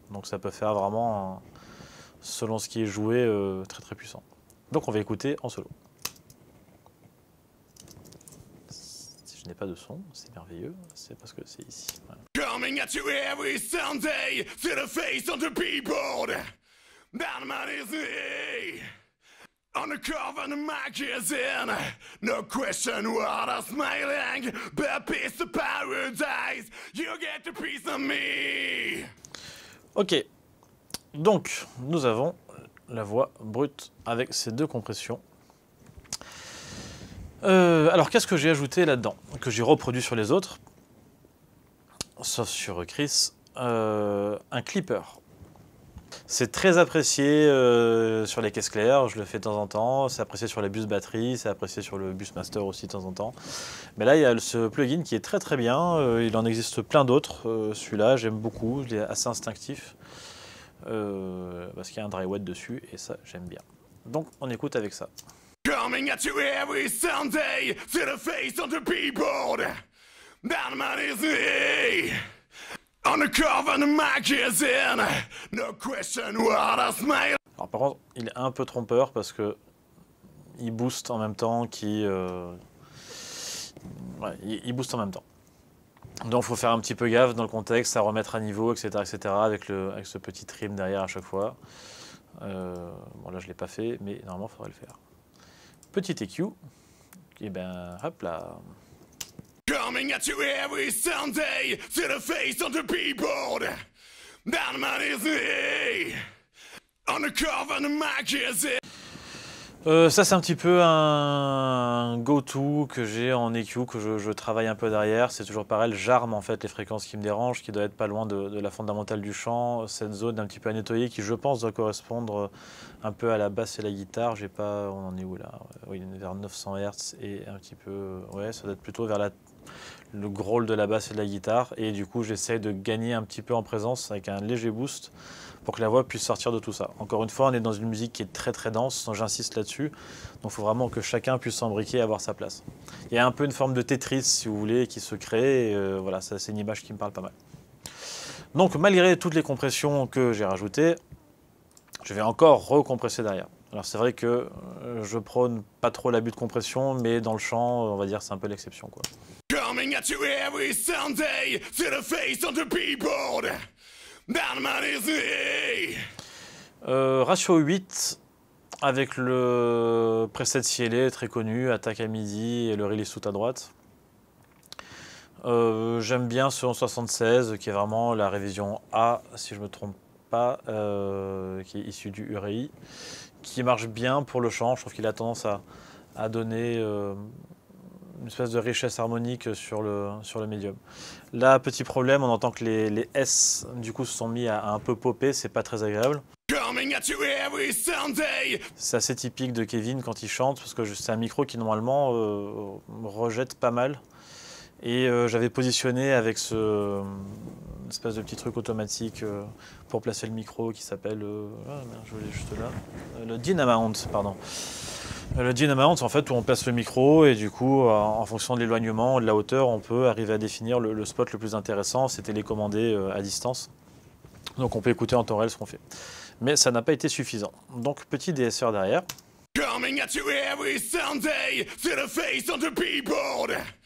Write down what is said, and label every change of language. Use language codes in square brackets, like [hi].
[fr] Donc ça peut faire vraiment, selon ce qui est joué, très très puissant. Donc on va écouter en solo. Si je n'ai pas de son, c'est merveilleux, c'est parce que c'est ici. Voilà. [en] Coming at you every Sunday, see the face on the keyboard. That man is me. On the cover of the magazine, no question what I'm smiling, but peace of paradise, you get the peace of me. [fr] Ok, donc nous avons la voix brute avec ces deux compressions. Alors qu'est-ce que j'ai ajouté là-dedans, que j'ai reproduit sur les autres, sauf sur Chris, un clipper. C'est très apprécié sur les caisses claires, je le fais de temps en temps, c'est apprécié sur les bus batterie, c'est apprécié sur le bus master aussi de temps en temps. Mais là, il y a ce plugin qui est très très bien, il en existe plein d'autres, celui-là j'aime beaucoup, il est assez instinctif, parce qu'il y a un dry wet dessus et ça j'aime bien. Donc on écoute avec ça. [en] Coming at you every Sunday, see the face on the keyboard, that man is me. On the cover of the magazine, no question what I smile. [fr] Alors par contre, il est un peu trompeur parce que il booste en même temps qu'il... il booste en même temps. Donc il faut faire un petit peu gaffe dans le contexte, à remettre à niveau, etc. etc. avec ce petit trim derrière à chaque fois. Bon là je ne l'ai pas fait, mais normalement il faudrait le faire. Petit EQ. Et ben hop là. [en] Coming at you every Sunday, see the face on the keyboard. That man is me. On the cover of the magazine. [fr] Ça c'est un petit peu un go-to que j'ai en EQ, que je travaille un peu derrière. C'est toujours pareil, j'arme en fait les fréquences qui me dérangent, qui doivent être pas loin de la fondamentale du chant, cette zone un petit peu à nettoyer, qui je pense doit correspondre un peu à la basse et la guitare. J'ai pas, on en est où là? Oui, vers 900 Hz et un petit peu, ouais, ça doit être plutôt vers le growl de la basse et de la guitare. Et du coup j'essaie de gagner un petit peu en présence avec un léger boost pour que la voix puisse sortir de tout ça. Encore une fois, on est dans une musique qui est très très dense, j'insiste là-dessus, donc il faut vraiment que chacun puisse s'embriquer et avoir sa place. Il y a un peu une forme de Tetris, si vous voulez, qui se crée, et voilà, ça c'est une image qui me parle pas mal. Donc malgré toutes les compressions que j'ai rajoutées, je vais encore recompresser derrière. Alors c'est vrai que je prône pas trop l'abus de compression, mais dans le chant, on va dire, c'est un peu l'exception, quoi. [en] Coming at you every Sunday, see the face on the keyboard. That man is me. [fr] Ratio 8 avec le preset CLA très connu, attaque à midi et le release tout à droite. J'aime bien ce 1176 qui est vraiment la révision A, si je me trompe pas, qui est issue du URI, qui marche bien pour le chant. Je trouve qu'il a tendance à donner une espèce de richesse harmonique sur le médium. Là, petit problème, on entend que les S du coup se sont mis à un peu popper, c'est pas très agréable. [en] Coming at you every Sunday. [fr] C'est assez typique de Kevin quand il chante, parce que c'est un micro qui normalement rejette pas mal. Et j'avais positionné avec ce espèce de petit truc automatique pour placer le micro qui s'appelle je l'ai juste là, le Dynamount, pardon. Le Dynamount, en fait, où on place le micro et du coup, en fonction de l'éloignement, de la hauteur, on peut arriver à définir le spot le plus intéressant. C'est télécommandé à distance. Donc on peut écouter en temps réel ce qu'on fait. Mais ça n'a pas été suffisant. Donc petit DSR derrière. [en] Coming at you every Sunday, see the face on the keyboard.